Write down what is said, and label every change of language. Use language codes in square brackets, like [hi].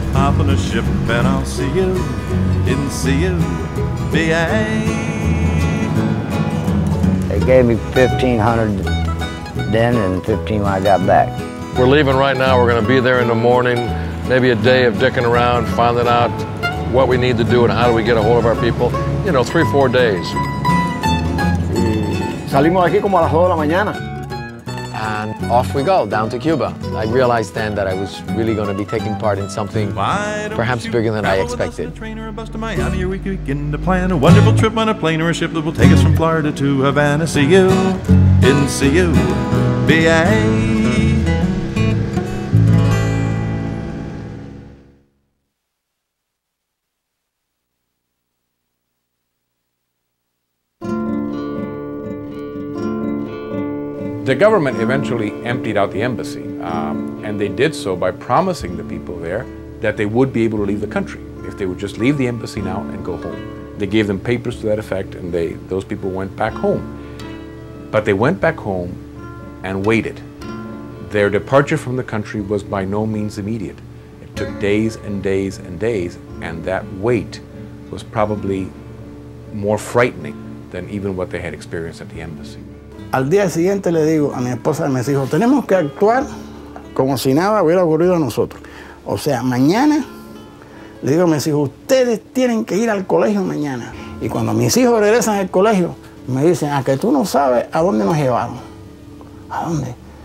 [en] Hop on a ship and I'll see you in CUBA. They gave me 1,500 then and 15 when I got back. We're leaving right now. We're going to be there in the morning, maybe a day of dicking around, finding out what we need to do and how do we get a hold of our people. You know, 3-4 days. [es] Salimos aquí como a las 2 de la mañana. [en] And off we go, down to Cuba. I realized then that I was really going to be taking part in something perhaps bigger than I expected. Travel with us in a train or a bus to Miami, or we could begin to plan a wonderful trip on a plane or a ship that will take us from Florida to Havana. See you in CUBA. The government eventually emptied out the embassy, and they did so by promising the people there that they would be able to leave the country if they would just leave the embassy now and go home. They gave them papers to that effect, and those people went back home. But they went back home and waited. Their departure from the country was by no means immediate. It took days and days and days, and that wait was probably more frightening than even what they had experienced at the embassy. [es] Al día siguiente le digo a mi esposa y a mis hijos, tenemos que actuar como si nada hubiera ocurrido a nosotros. O sea, mañana le digo a mis hijos, ustedes tienen que ir al colegio mañana. Y cuando mis hijos regresan al colegio, me dicen, a que tú no sabes a dónde nos llevaron. ¿A dónde?